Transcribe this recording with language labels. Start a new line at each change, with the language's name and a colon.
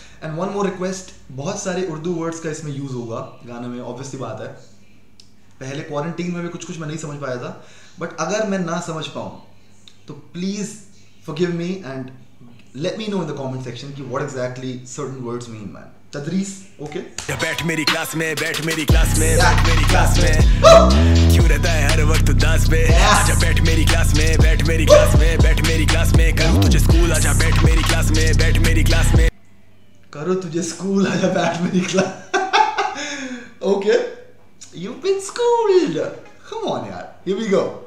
English: And one more request,
Hindi: बहुत सारे Urdu words का इसमें use होगा गाने में, obviously बात है. पहले quarantine में भी कुछ कुछ मैं नहीं समझ पाया था,
English: but
Hindi: अगर मैं ना समझ पाऊँ तो
English: please forgive me and let me know in the comment section कि what exactly certain words mean, man.
Hindi: तदरीस, okay? जब बैठ मेरी class में, बैठ मेरी class में, बैठ मेरी class में, क्यों रहता है हर वक्त दास पे? आजा बैठ मेरी class में, बैठ मेरी class में, बैठ मेरी class में, करूँ तुझे school, आजा बैठ मेरी class में, बैठ मेरी class में. करो तुझे स्कूल आजा बैठ मेरी class.
English: Okay, you been schooled, come on यार, here we go.